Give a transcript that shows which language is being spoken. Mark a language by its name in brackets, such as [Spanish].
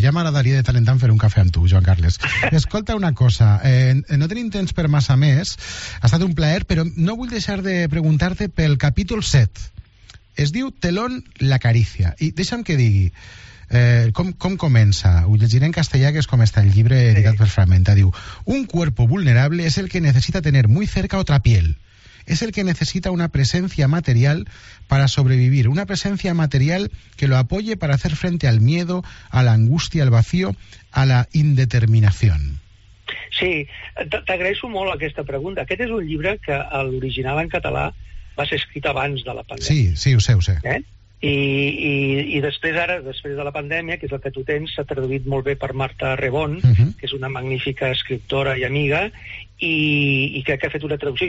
[Catalan] Ja m'agradaria de tant en tant fer un cafè amb tu, Joan Carles. Escolta una cosa, no tenim temps per massa més, ha estat un plaer, però no vull deixar de preguntar-te pel capítol 7. Es diu Telón, la caricia. I deixa'm que digui, com comença? Ho llegiré en castellà, que és com està el llibre editat per Fragmenta. Diu: [Spanish] un cuerpo vulnerable es el que necesita tener muy cerca otra piel. Es el que necesita una presencia material para sobrevivir. Una presencia material que lo apoye para hacer frente al miedo, a la angustia, al vacío, a la indeterminación. [Catalan] Sí, t'agraeixo molt aquesta pregunta. Aquest és un llibre que l'original en català va ser escrit abans de la pandèmia. Sí, ho sé. I després ara, després de la pandèmia, que és el que tu tens, s'ha traduït molt bé per Marta Rebón, que és una magnífica escriptora i amiga, i que ha fet una traducció.